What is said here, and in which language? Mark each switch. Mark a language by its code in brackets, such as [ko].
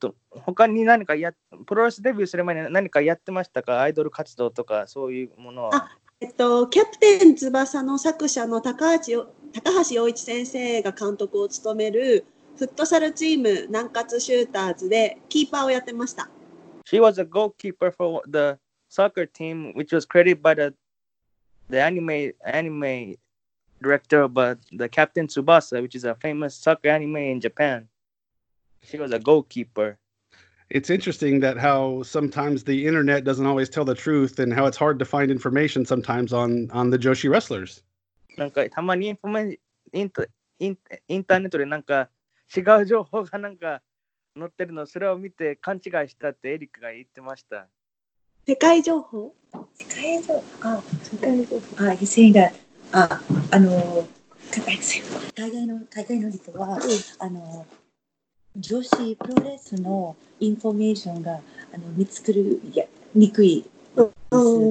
[ja] 他に何かやプロレスデビューする前に何かやってましたか？アイドル活動とかそういうものは。キャプテン翼の作者の高橋陽一先生が監督を務めるフットサルチーム南葛シューターズでキーパーをやってました。 [en] She was a goalkeeper for the soccer team which was created by the anime director but the Captain Tsubasa which is a famous soccer anime in Japan. She was a goalkeeper. It's interesting that how sometimes the internet doesn't always tell the truth and how it's hard to find information sometimes on the Joshi wrestlers. [ja] なんかたまにインターネットでなんか違う情報がなんか載ってるの、それを見て勘違いしたってエリックが言ってました。世界情報？世界情報？あ、世界情報。あ、 [en] He's saying that, [ja] あの、海外の人は、あの、女子プロレスのインフォメーションが、あの、見つくる、にくいです。